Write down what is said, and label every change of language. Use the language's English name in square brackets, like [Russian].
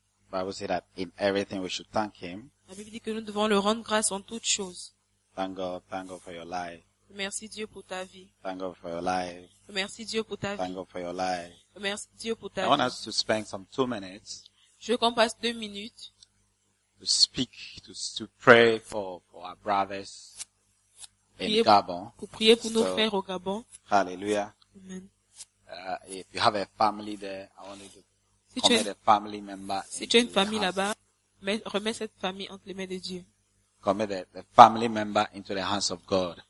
[English] The Bible says that in everything we should thank Him. [French] La Bible dit que nous devons le rendre grâce en toutes choses. [English] Thank God for your life. [French] Merci Dieu pour ta vie. [English] Thank God for your life. [French] Merci Dieu pour ta vie. [English] Thank God for your life. [French] Merci Dieu pour ta [English] vie. I want us to spend some 2 minutes. [French] Je veux qu'on passe 2 minutes. [English] To speak, to pray for our brothers [French] prier [English] in Gabon. [French] Pour prier pour nos frères au Gabon. Hallelujah. Amen. [English] If you have a family there, I want you to commit a family member. [French] Si tu as une famille là-bas, remets cette famille entre les mains de Dieu. [English] Commit the family member into the hands of God.